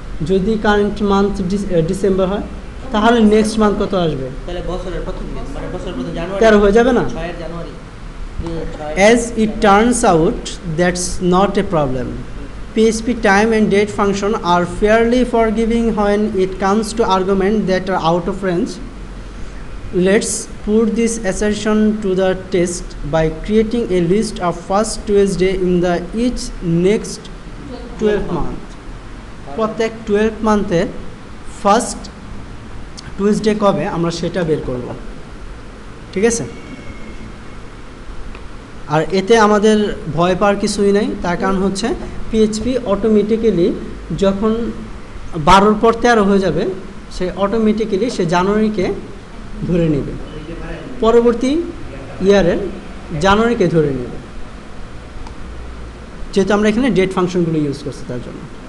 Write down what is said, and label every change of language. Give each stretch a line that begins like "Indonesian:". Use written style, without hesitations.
Bangla: যদি current month December হয় তাহলে নেক্সট মান্থ কত আসবে? তাহলে বছরের প্রথম দিন মানে বছরের প্রথম জানুয়ারি 13 হয়ে যাবে না? 6 জানুয়ারি
English: as it turns out that's not a problem. PHP time and date function are fairly forgiving when it comes to argument that are out of range. Let's put this assertion to the test by creating a list of first Tuesday in the each next 12 month.
Bangla: প্রত্যেক 12 মান্থে first Tuesday কবে আমরা সেটা বের করব, ঠিক আছে? আর এতে আমাদের ভয় পাওয়ার কিছুই নাই, তার কারণ হচ্ছে পিএইচপি অটোমেটিক্যালি যখন 12 পর 13 হয়ে যাবে সে অটোমেটিক্যালি সে জানুয়ারিকে ধরে নেবে, পরবর্তী ইয়ারের জানুয়ারিকে ধরে নেবে, যেহেতু আমরা এখানে ডেট ফাংশনগুলো ইউজ করছি তার জন্য।